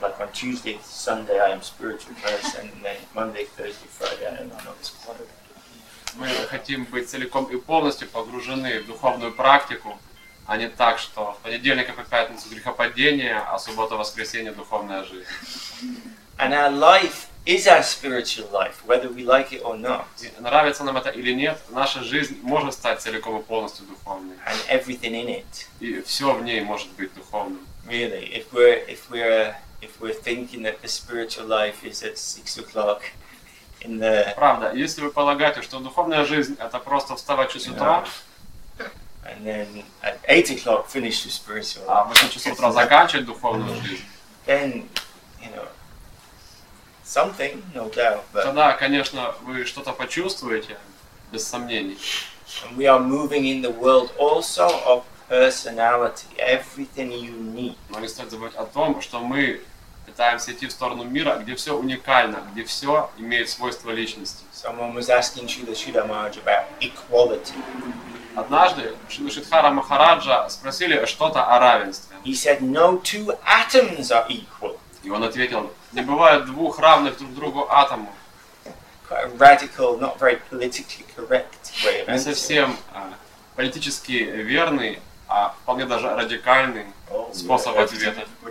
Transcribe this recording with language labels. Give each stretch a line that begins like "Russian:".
English: Like on Tuesday, Sunday, I am spiritual person, and then Monday, Thursday, Friday, I am not schizophrenic.
Russian: Мы хотим быть целиком и полностью погружены в духовную практику, а не так, что в понедельник и по пятницу грехопадение, а суббота-воскресенье духовная жизнь.
English: And our life is our spiritual life, whether we like it or not.
Russian: Нравится нам это или нет, наша жизнь может стать целиком и полностью духовной.
English: And everything in it.
Russian: И все в ней может быть духовным.
English: Really, if we're thinking that the spiritual life is at 6 o'clock in the.
Russian: Правда, если вы полагаете, что духовная жизнь это просто вставать в 6 утра.
English: And then at 8 o'clock finish the spiritual.
Russian: А в 8 часов утра заканчивать духовную жизнь.
English: Then, something, no doubt, but.
Russian: Тогда, конечно, вы что-то почувствуете, без сомнений.
English: And we are moving in the world also of personality, everything unique.
Russian: Но не стоит забывать о том, что мы пытаемся идти в сторону мира, где все уникально, где все имеет свойство личности.
English: Someone was asking Srila Sridhara Maharaj about equality.
Russian: Однажды Шрила Шридхара Махараджа спросили что-то о равенстве.
English: He said, no two atoms are equal.
Russian: И он ответил, не бывает двух равных друг другу атомов.
English: Quite a radical, not very politically correct way of answering.
Russian: Не совсем политически верный, а вполне даже радикальный способ ответа.